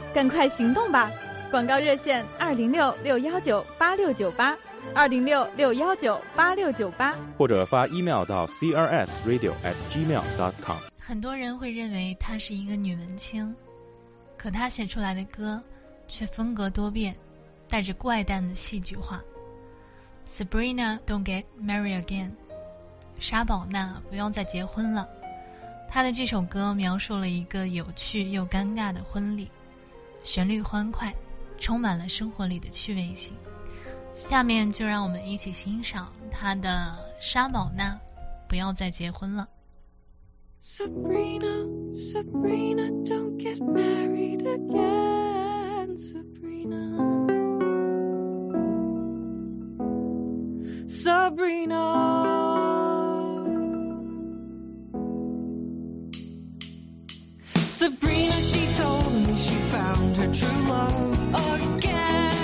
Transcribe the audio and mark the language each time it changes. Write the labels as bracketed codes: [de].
[zh] 赶快行动吧！广告热线2066198698。 2066198698，或者发 email 到 crsradio@gmail.com。很多人会认为她是一个女文青，可她写出来的歌却风格多变，带着怪诞的戏剧化。 [en] Sabrina Don't Get Married Again， [zh] 莎宝娜不用再结婚了。她的这首歌描述了一个有趣又尴尬的婚礼，旋律欢快，充满了生活里的趣味性。下面就让我们一起欣赏他的《莎宝娜不要再结婚了》。 [en] Sabrina Sabrina Don't get married again Sabrina Sabrina Sabrina She told me she found her true love againSabrina